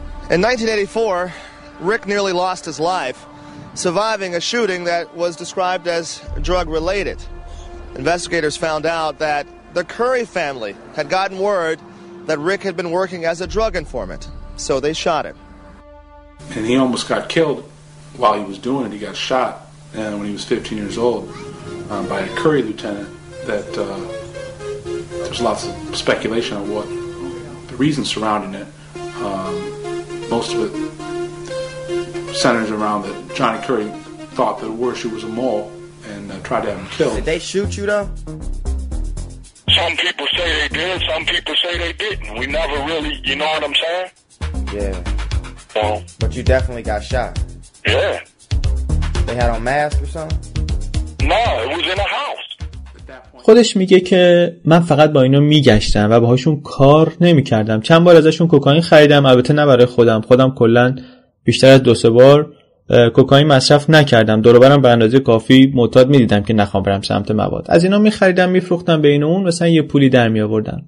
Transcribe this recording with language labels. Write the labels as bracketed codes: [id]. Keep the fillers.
[en] 1984 Rick nearly lost his life surviving a shooting that was described as drug related Investigators found out that the Curry family had gotten word that Rick had been working as a drug informant, so they shot him. And he almost got killed while he was doing it. He got shot and when he was 15 years old um, by a Curry lieutenant that uh, there's lots of speculation on what the reasons surrounding it. Um, most of it centers around that Johnny Curry thought that Worshu was a mole and uh, tried to have him killed. Did they shoot you though? some people say they did, some people say they didn't. We never really, you know what I'm saying? Yeah. So, but you definitely got shot. Yeah. They had on mask or something? No, it was in a house. [fa] خودش میگه که من فقط با اینا میگشتم و باهاشون کار نمیکردم چند بار ازشون کوکائین خریدم البته نه برای خودم خودم کلا بیشتر از دو سه بار کوکائین مصرف نکردم دور برم به اندازه کافی معتاد میدیدم که نخوام برم سمت مواد از اینا می خریدم می بین اون مثلا یه پولی در می آوردن.